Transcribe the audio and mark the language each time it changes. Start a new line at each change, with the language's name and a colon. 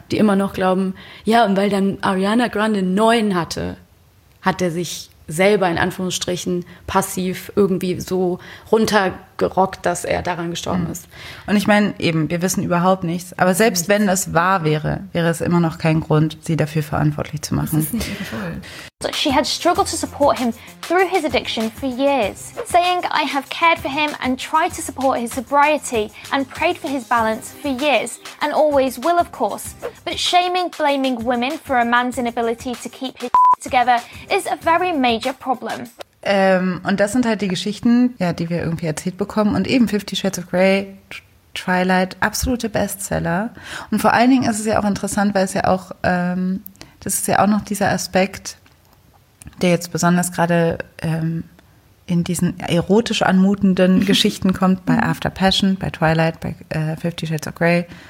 German: Die immer noch glauben, ja, und weil dann Ariana Grande 9 hatte, hat er sich selber in Anführungsstrichen passiv irgendwie so runtergerockt, dass er daran gestorben ist. Und ich meine eben, wir wissen überhaupt nichts. Aber selbst wenn es wahr wäre, wäre es immer noch kein Grund, sie dafür verantwortlich zu machen. Das ist nicht so.
English: She had struggled to support him through his addiction for years, saying I have cared for him and tried to support his sobriety and prayed for his balance for years and always will, of course. But shaming, blaming women for a man's inability to keep his together is a very major problem.
German: Und das sind halt die Geschichten, ja, die wir irgendwie erzählt bekommen. Und eben 50 Shades of Grey, Twilight, absolute Bestseller. Und vor allen Dingen ist es ja auch interessant, weil es ja auch, das ist ja auch noch dieser Aspekt, der jetzt besonders gerade in diesen erotisch anmutenden Geschichten kommt, bei After Passion, bei Twilight, bei 50 Shades of Grey.